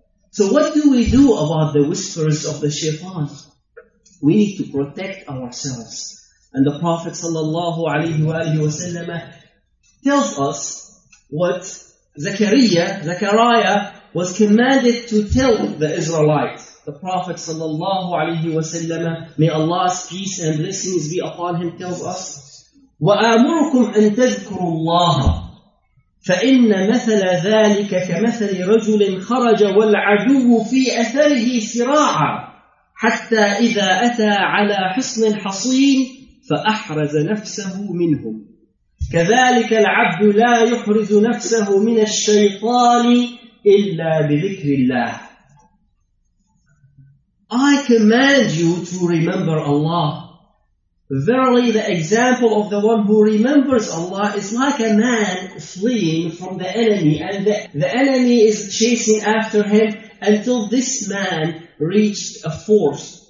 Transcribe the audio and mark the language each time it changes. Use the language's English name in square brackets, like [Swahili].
[English] So what do we do about the whispers of the shaytan? We need to protect ourselves. And the Prophet sallallahu alaihi wasallam tells us what Zechariah was commanded to tell the Israelites. The Prophet sallallahu alaihi wasallam, may Allah's peace and blessings be upon him, tells us, [Arabic] وَآمُرُكُمْ أَن تَذْكُرُوا اللَّهَ فَإِنَّ مَثَلَ ذَلِكَ كَمَثَلِ رَجُلٍ خَرَجَ وَالْعَدُوُّ فِي أَثَرِهِ سِرَاعًا حَتَّى إِذَا أَتَى عَلَى حِصْنٍ حَصِينٍ فَأَحْرَزَ نَفْسَهُ مِنْهُمْ كَذَلِكَ الْعَبْدُ لَا يُحْرِزُ نَفْسَهُ مِنَ الشَّيْطَانِ إِلَّا بِذِكْرِ اللَّهِ. [English] I command you to remember Allah. Verily, the example of the one who remembers Allah is like a man fleeing from the enemy, and the enemy is chasing after him until this man reached a fort.